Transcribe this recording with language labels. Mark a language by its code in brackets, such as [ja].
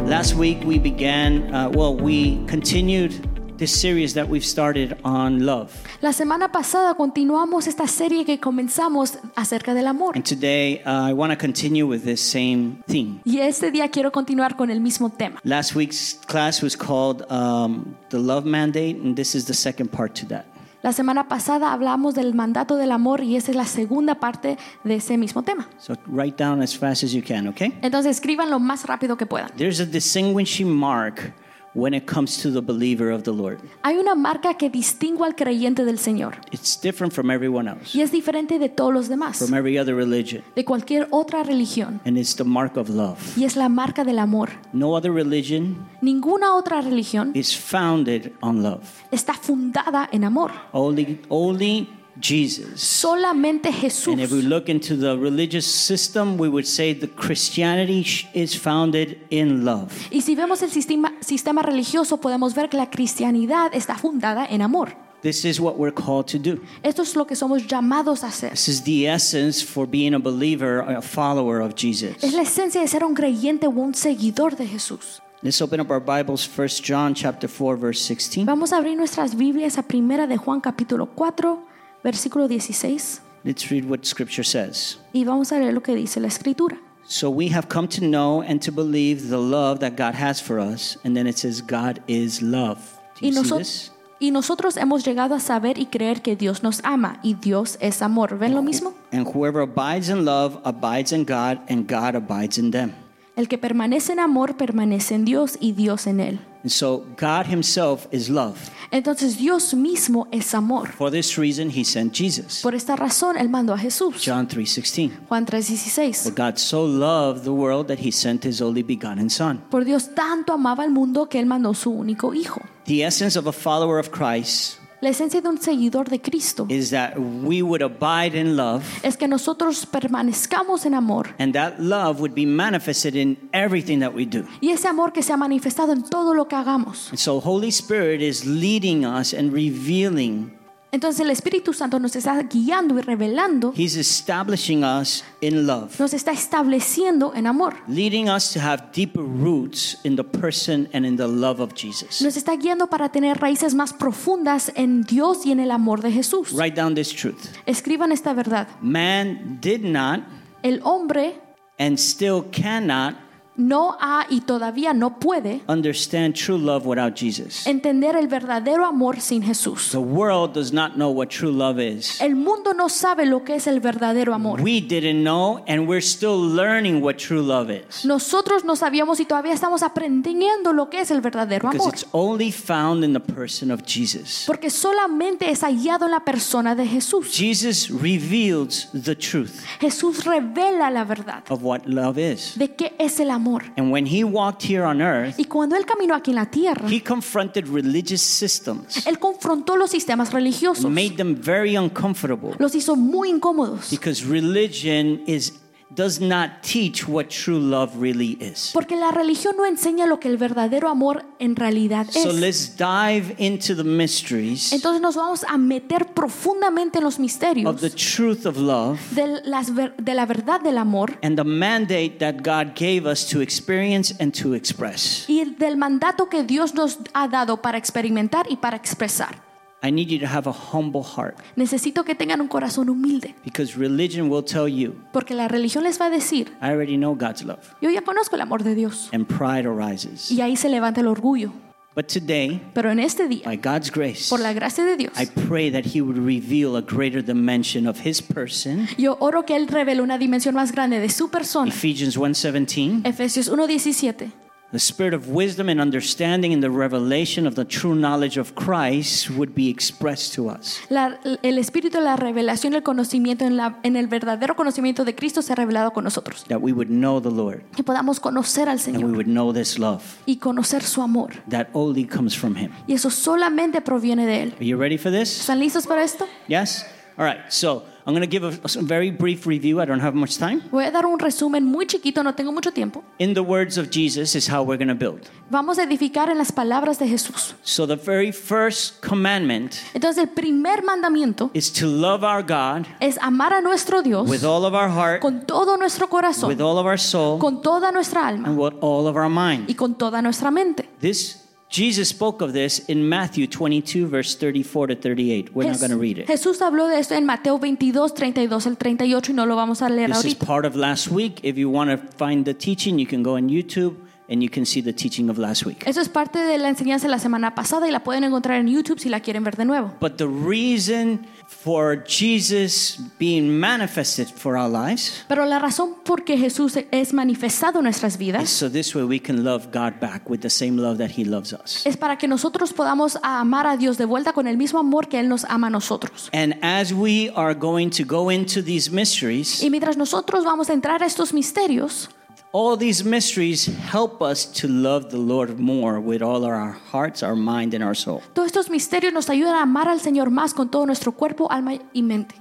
[en] Last week we began, we continued this series that we've started on love. [es] La semana pasada continuamos esta serie que comenzamos acerca del amor. [en] And today I want to continue with this same theme. [es] Y este día quiero continuar con el mismo tema. [en] Last week's class was called the love mandate, and this is the second part to that. [es] La semana pasada hablamos del mandato del amor y esa es la segunda parte de ese mismo tema. [en] So write down as fast as you can, okay? [es] Entonces escriban lo más rápido que puedan. [en] There's a distinguishing mark when it comes to the believer of the Lord. [es] Hay una marca que distingue al creyente del Señor. [en] It's different from everyone else. [es] Y es diferente de todos los demás. [en] From every other religion. [es] De cualquier otra religión. [en] And it's the mark of love. [es] Y es la marca del amor. [en] No other religion. [es] Ninguna otra religión. [en] Is founded on love. [es] Está fundada en amor. [en] Only Jesus. [es] Solamente Jesús. [en] And if we look into the religious system, we would say the Christianity is founded in love. [es] Y si vemos el sistema religioso, podemos ver que la cristianidad está fundada en amor. [en] This is what we're called to do. [es] Esto es lo que somos llamados a hacer. [en] This is the essence for being a believer, a follower of Jesus. [es] Es la esencia de ser un creyente o un seguidor de Jesús. [en] Let's open up our Bibles, 1 John chapter 4, verse 16. [es] Vamos a abrir nuestras Biblias a 1 de Juan capítulo 4. Versículo 16. [en] Let's read what scripture says. [es] Y vamos a leer lo que dice la escritura. [en] So we have come to know and to believe the love that God has for us. And then it says God is love. Do you see this? [es] Y nosotros hemos llegado a saber y creer que Dios nos ama y Dios es amor. ¿Ven lo mismo? [en] And whoever abides in love abides in God and God abides in them. [es] El que permanece en amor permanece en Dios y Dios en él. [en] And so God himself is love. [es] Entonces Dios mismo es amor. [en] For this reason he sent Jesus. [es] Por esta razón él mandó a Jesús. [en] John 3:16. [es] Juan 3:16. [en] For God so loved the world that he sent his only begotten son. [es] Por Dios tanto amaba al mundo que él mandó su único hijo. [en] The essence of a follower of Christ. [es] La esencia de un seguidor de Cristo. [en] Is that we would abide in love. [es] Es que nosotros permanezcamos en amor. [en] And that love would be manifested in everything that we do. [es] Y ese amor que se ha manifestado en todo lo que hagamos. [en] And so Holy Spirit is leading us and revealing. [es] Entonces el Espíritu Santo nos está guiando y revelando. [en] He's establishing us in love. [es] Nos está estableciendo en amor. [en] Leading us to have deeper roots in the person and in the love of Jesus. [es] Nos está guiando para tener raíces más profundas en Dios y en el amor de Jesús. [en] Write down this truth. [es] Escriban esta verdad. [en] Man did not. [es] El hombre. [en] And still cannot. [es] No ha y todavía no puede [en] understand true love without Jesus. [es] Entender el verdadero amor sin Jesús. [en] The world does not know what true love is. [es] El mundo no sabe lo que es el verdadero amor. [en] We didn't know and we're still learning what true love is. [es] Nosotros no sabíamos y todavía estamos aprendiendo lo que es el verdadero [en] Because [es] amor. [en] Because it's only found in the person of Jesus. [es] Porque solamente es hallado en la persona de Jesús. [en] Jesus reveals the truth. [es] Jesús revela la verdad. [en] Of what love is. [es] De qué es el amor. [en] And when he walked here on earth, [es] y cuando él caminó aquí en la tierra, [en] he confronted religious systems. [es] Él confrontó los sistemas religiosos. [en] Made them very uncomfortable. [es] Los hizo muy incómodos. [en] Because religion does not teach what true love really is. [es] Porque la religión no enseña lo que el verdadero amor en realidad es. [en] So let's dive into the mysteries. [es] Entonces nos vamos a meter profundamente en los misterios. [en] Of the truth of love. [es] De la verdad del amor. [en] And the mandate that God gave us to experience and to express. [es] Y del mandato que Dios nos ha dado para experimentar y para expresar. [en] I need you to have a humble heart. [es] Necesito que tengan un corazón humilde. [en] Because religion will tell you. [es] Porque la religión les va a decir. [en] I already know God's love. [es] Yo ya conozco el amor de Dios. [en] And pride arises. [es] Y ahí se levanta el orgullo. [en] But today, [es] pero en este día, [en] by God's grace, [es] por la gracia de Dios, [en] I pray that he would reveal a greater dimension of his person. [es] Yo oro que él revele una dimensión más grande de su persona. [en] Ephesians 1:17. [es] Efesios 1:17. [en] The spirit of wisdom and understanding in the revelation of the true knowledge of Christ would be expressed to us. [es] El espíritu de la revelación, el conocimiento en el verdadero conocimiento de Cristo sea revelado con nosotros. [en] That we would know the Lord. [es] Que podamos conocer al Señor. [en] And we would know this love. [es] Y conocer su amor. [en] That only comes from him. [es] Y eso solamente proviene de él. [en] Are you ready for this? [es] ¿Están listos para esto? [en] Yes. All right. So I'm going to give a very brief review. I don't have much time. [es] Voy a dar un resumen muy chiquito, no tengo mucho tiempo. [en] In the words of Jesus is how we're going to build. [es] Vamos a edificar en las palabras de Jesús. [en] So the very first commandment, [es] entonces el primer mandamiento, [en] is to love our God, [es] es amar a nuestro Dios, [en] with all of our heart, [es] con todo nuestro corazón, [en] with all of our soul, [es] con toda nuestra alma, [en] and with all of our mind, [es] y con toda nuestra mente. [en] This Jesus spoke of this in Matthew 22, verse 34 to 38. We're not going to read it. [es] Jesús habló de esto en Mateo 22, 32 al 38, y no lo vamos a leer [en] this [es] ahorita. [en] This is part of last week. If you want to find the teaching, you can go on YouTube and you can see the teaching of last week. [es] Eso es parte de la enseñanza de la semana pasada y la pueden encontrar en YouTube si la quieren ver de nuevo. [en] But the reason for Jesus being manifested for our lives, [es] pero la razón por qué Jesús es manifestado en nuestras vidas, [en] so this way we can love God back with the same love that he loves us. [es] Es para que nosotros podamos amar a Dios de vuelta con el mismo amor que él nos ama a nosotros. [en] And as we are going to go into these mysteries, [es] y mientras nosotros vamos a entrar a estos misterios, [en] all these mysteries help us to love the Lord more with all our hearts, our mind, and our soul. [es] Todos estos misterios nos ayudan a amar al Señor más con todo nuestro cuerpo, alma y mente.